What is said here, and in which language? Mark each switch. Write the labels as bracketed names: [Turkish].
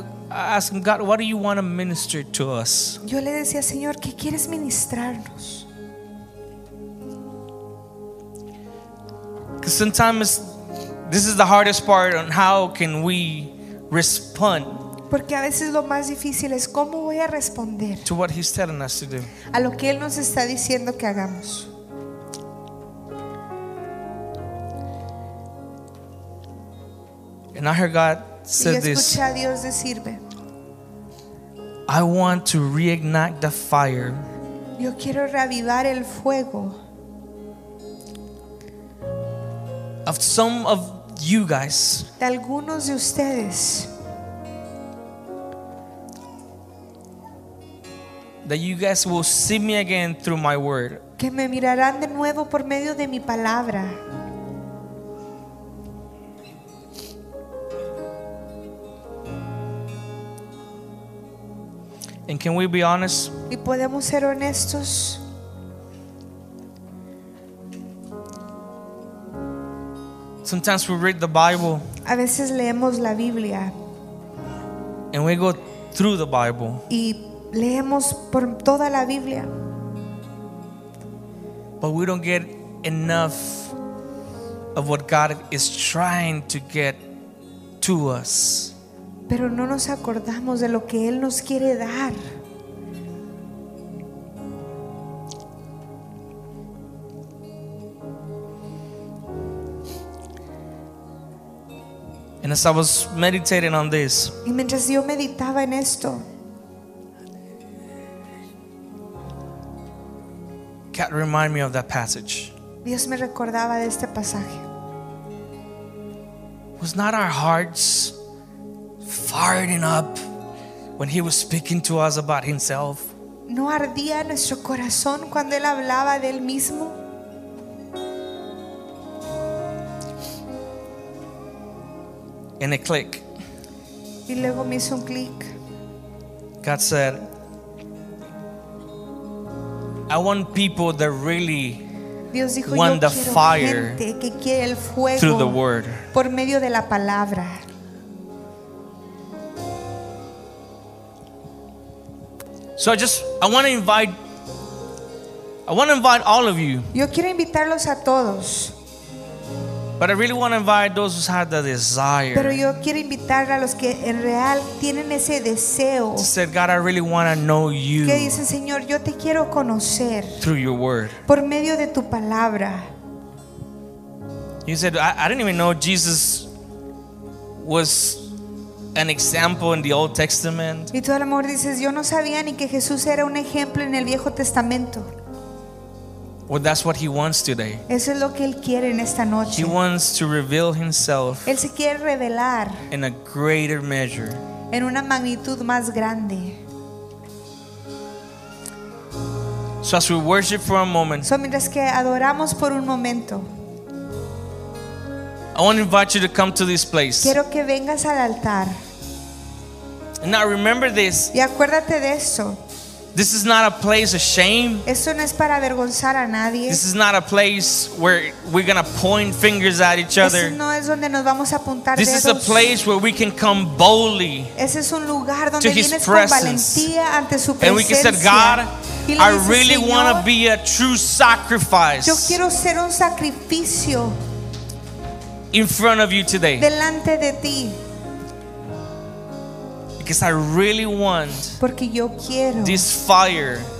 [English] asking God, what do you want to minister to us? [Spanish] Yo le decía, Señor, ¿qué quieres ministrarnos? [English] Because sometimes this is the hardest part on how can we respond. [Spanish] Porque a veces lo más difícil es cómo voy a responder. [English] To what He's telling us to do. [Spanish] A lo que Él nos está diciendo que hagamos. [English] And I heard God say this. [Spanish] Y escuché a Dios decirme. [English] I want to reignite the fire. [Spanish] Yo quiero reavivar el fuego. [English] Of some of you guys. [Spanish] De algunos de ustedes. [English] That you guys will see me again through my word. [Spanish] Que me mirarán de nuevo por medio de mi palabra. [English] And can we be honest? [Spanish] ¿Y podemos ser honestos? [English] Sometimes we read the Bible. [Spanish] A veces leemos la Biblia. [English] And we go through the Bible. [Spanish] Y leemos por toda la Biblia. [English] But we don't get enough of what God is trying to get to us. [Spanish] Pero no nos acordamos de lo que Él nos quiere dar. [English] And as I was meditating on this, [Spanish] y mientras yo meditaba en esto, [English] God reminded me of that passage. [Spanish] Dios me recordaba de este pasaje. [English] Was not our hearts firing up when He was speaking to us about Himself? [Spanish] ¿No ardía nuestro corazón cuando Él hablaba de Él mismo? [English] And a click. [Spanish] Y luego me hizo un click. [English] God said, I want people that really [Spanish] Dios dijo, [English] want [Spanish] yo [English] the [Spanish] quiero [English] fire [Spanish] gente que quiere el fuego [English] through the word. [Spanish] Por medio de la palabra. [English] So I want to invite all of you. [Spanish] Yo quiero invitarlos a todos. [English] But I really want to invite those who have the desire. [Spanish] Pero yo quiero invitar a los que en real tienen ese deseo. [English] Said, God, I really want to know you. [Spanish] Que dice, Señor, yo te quiero conocer. [English] Through your word. [Spanish] Por medio de tu palabra. [English] You said, I didn't even know Jesus was an example in the Old Testament. [Spanish] Y tú al amor dices, yo no sabía ni que Jesús era un ejemplo en el Viejo Testamento. [English] Well, that's what He wants today. [Spanish] Eso es lo que Él quiere en esta noche. [English] He wants to reveal Himself. [Spanish] Él se quiere revelar. [English] In a greater measure. [Spanish] En una magnitud más grande. [English] So as we worship for a moment. [Spanish] So mientras que adoramos por un momento. [English] I want to invite you to come to this place. [Spanish] Quiero que vengas al altar. [English] And now remember this. [Spanish] Y acuérdate de eso. [English] This is not a place of shame. [Spanish] Esto no es para avergonzar a nadie. [English] This is not a place where we're going to point fingers at each other. [Spanish] Eso no es donde nos vamos a apuntar dedos. [English] This is a place where we can come boldly. [Spanish] Ese es un lugar donde vienes con valentía ante su presencia. [English] And we can say, God, I really want to be a true sacrifice. [Spanish] Yo quiero ser un sacrificio. [English] In front of you today. [Spanish] Delante de ti. [English] Because I really want [Spanish] porque yo quiero [English] this fire